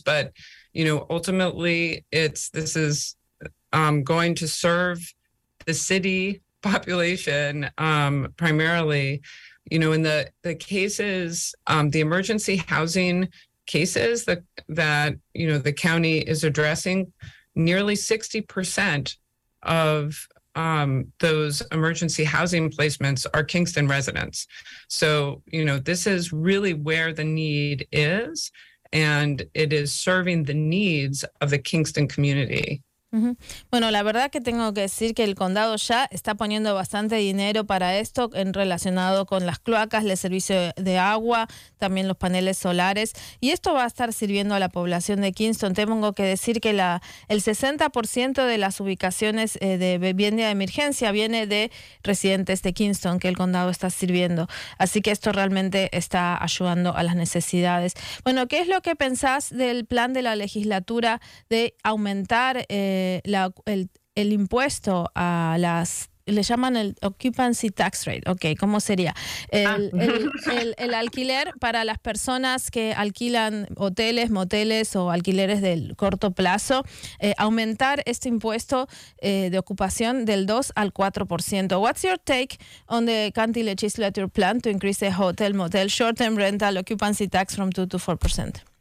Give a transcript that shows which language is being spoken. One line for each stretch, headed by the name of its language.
English: But, you know, ultimately, this is going to serve the city population primarily, you know, in the cases, the emergency housing cases that you know the county is addressing, nearly 60% of those emergency housing placements are Kingston residents. So, you know, this is really where the need is, and it is serving the needs of the Kingston community.
Spanish: Bueno, la verdad que tengo que decir que el condado ya está poniendo bastante dinero para esto en relacionado con las cloacas, el servicio de agua, también los paneles solares, y esto va a estar sirviendo a la población de Kingston. Tengo que decir que el 60% de las ubicaciones de vivienda de emergencia viene de residentes de Kingston que el condado está sirviendo, así que esto realmente está ayudando a las necesidades. Bueno, ¿qué es lo que pensás del plan de la legislatura de aumentar el impuesto a las, le llaman el
English: occupancy tax rate,
Spanish: okay, ¿cómo sería? El alquiler para las personas que alquilan hoteles, moteles o alquileres del corto plazo, aumentar este impuesto de ocupación del 2 al 4%.
English: What's your take on the county legislature plan to increase the hotel, motel, short-term rental occupancy tax from 2 to 4%?